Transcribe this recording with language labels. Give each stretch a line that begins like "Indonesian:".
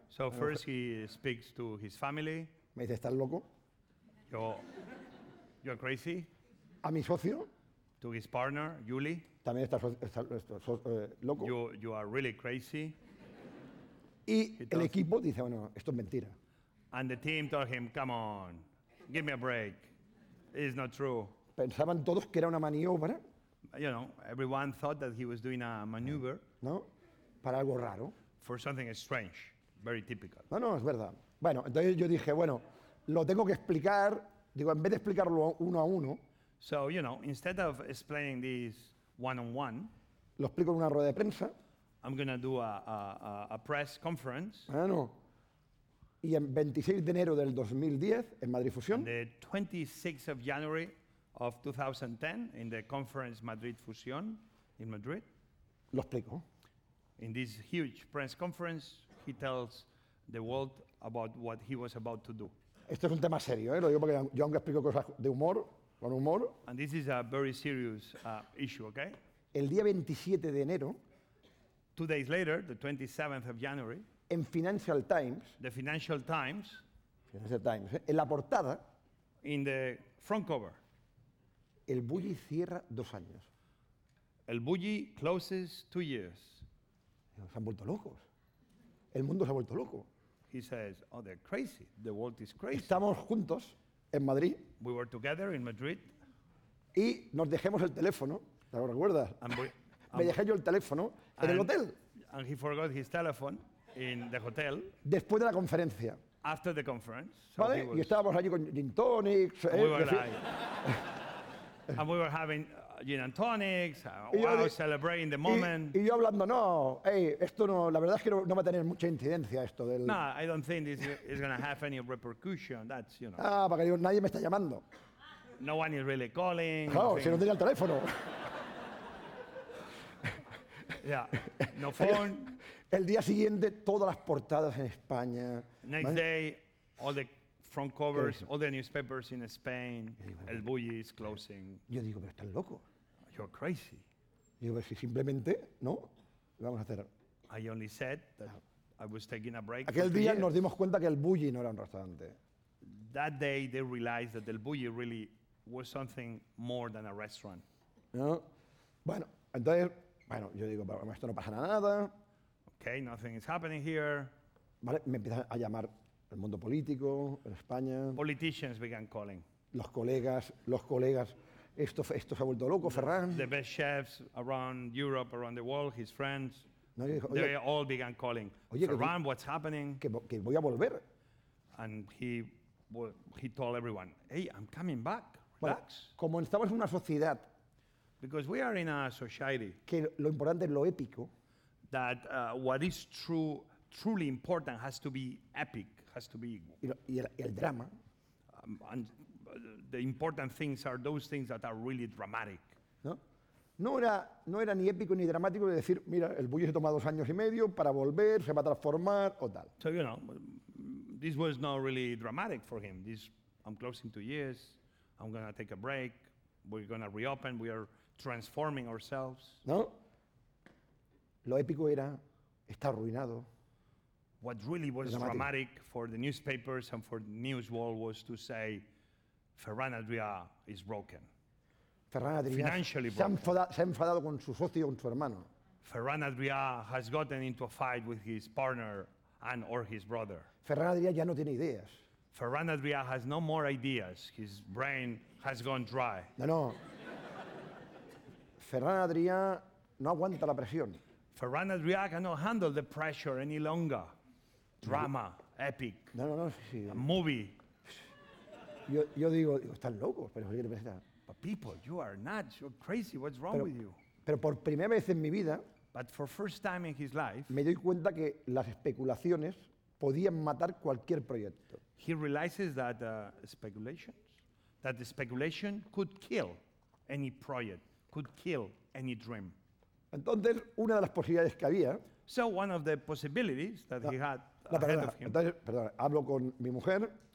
English: So first he speaks to his family.
Spanish: Me dice, ¿estás loco?
English: You're crazy.
Spanish: A mi socio.
English: To his partner, Yuli.
Spanish: También está loco.
English: You are really crazy.
Spanish: Y el equipo dice, bueno, esto es mentira.
English: And the team told him, come on, give me a break. It's not true.
Spanish: Pensaban todos que era una maniobra.
English: You know, everyone thought that he was doing a maneuver.
Spanish: No, para algo raro.
English: For something strange, very typical.
Spanish: No, es verdad. Bueno, entonces yo dije, bueno, lo tengo que explicar. Digo, en vez de explicarlo uno a uno.
English: So, you know, instead of explaining this one on one.
Spanish: Lo explico en una rueda de prensa.
English: I'm going to do a press conference.
Spanish: Bueno, y el 26 de enero del 2010, en Madrid Fusión.
English: The 26th of January of 2010, in the conference Madrid Fusión, in Madrid.
Spanish: Lo explico.
English: In this huge press conference, he tells the world about what he was about to do.
Spanish: Esto es un tema serio, ¿eh? Lo digo porque yo aunque explico cosas de humor, con humor.
English: And this is a very serious issue, okay?
Spanish: El día 27 de enero.
English: 2 days later, the 27th of January,
Spanish: en Financial Times,
English: the Financial Times,
Spanish: en la portada,
English: in the front cover,
Spanish: el Bulli cierra 2 años.
English: El Bulli closes 2 years.
Spanish: Se han vuelto locos. El mundo se ha vuelto loco.
English: He says, oh, they're crazy. The world is crazy.
Spanish: Estamos juntos en Madrid.
English: We were together in Madrid.
Spanish: Y nos dejemos el teléfono. ¿Te lo recuerdas? Me dejé yo el teléfono en el hotel.
English: And he forgot his telephone in the hotel.
Spanish: Después de la conferencia.
English: After the conference.
Spanish: So ¿vale? Y estábamos allí con gin tonics.
English: And we were having gin and tonics. Celebrating the moment.
Spanish: Y yo hablando, no, hey, esto no, la verdad es que no va a tener mucha incidencia esto del.
English: No, I don't think this is going to have any repercussion. That's, you know.
Spanish: Ah, porque digo, nadie me está llamando.
English: No one is really calling.
Spanish: Claro, si no tenía el teléfono.
English: Yeah, no phone.
Spanish: El día siguiente, todas las portadas en España.
English: Next day, all the front covers, all the newspapers in Spain, el bulli is closing.
Spanish: Yo digo, pero estás loco.
English: You're crazy.
Spanish: Yo digo, si simplemente, ¿no? Vamos a hacer.
English: I only said that I was taking a break.
Spanish: Aquel día nos dimos cuenta que el bulli no era un restaurante.
English: That day they realized that el bulli really was something more than a restaurant.
Spanish: ¿No? Bueno, entonces, bueno, yo digo, pero esto no pasa nada.
English: Okay, nothing is happening here.
Spanish: Vale, me empiezan a llamar el mundo político en España.
English: Politicians began calling.
Spanish: Los colegas, esto se ha vuelto loco, Ferran.
English: The best chefs around Europe, around the world, his friends.
Spanish: No, dijo,
English: they all began calling.
Spanish: Oye,
English: Ferran, what's happening?
Spanish: Que voy a volver.
English: And he told everyone, hey, I'm coming back.
Spanish: Relax. Bueno, como estamos en una sociedad.
English: Because we are in a society.
Spanish: Que lo importante es lo épico.
English: That what is true, truly important, has to be epic, has to be.
Spanish: Y el drama.
English: And the important things are those things that are really dramatic.
Spanish: No. No era ni épico ni dramático de decir, mira, el bulli se toma 2 años y medio para volver, se va a transformar o tal.
English: So, you know, this was not really dramatic for him. This, I'm closing 2 years, I'm going to take a break, we're going to reopen, we are transforming ourselves.
Spanish: No. Lo épico era, está arruinado.
English: What really was dramatic for the newspapers and for the news world was to say, Ferran Adrià is broken.
Spanish: Ferran Adrià se ha enfadado con su socio y con su hermano.
English: Ferran Adrià has gotten into a fight with his partner and or his brother.
Spanish: Ferran Adrià ya no tiene ideas.
English: Ferran Adrià has no more ideas. His brain has gone dry.
Spanish: No. Ferran Adrià no aguanta la presión.
English: Ferran Adrià cannot handle the pressure any longer. Drama, epic.
Spanish: No, sí.
English: A movie.
Spanish: Yo digo, están locos, pero ¿qué pasa?
English: But people, you are nuts, you're crazy, what's wrong with you?
Spanish: Pero por primera vez en mi vida,
English: but for first time in his life,
Spanish: me doy cuenta que las especulaciones podían matar cualquier proyecto.
English: He realizes that speculation could kill any project, could kill any dream.
Spanish: Entonces, una de las posibilidades que había,
English: so one of the possibilities that he had ahead of him.
Spanish: Entonces, perdona, hablo con mi mujer.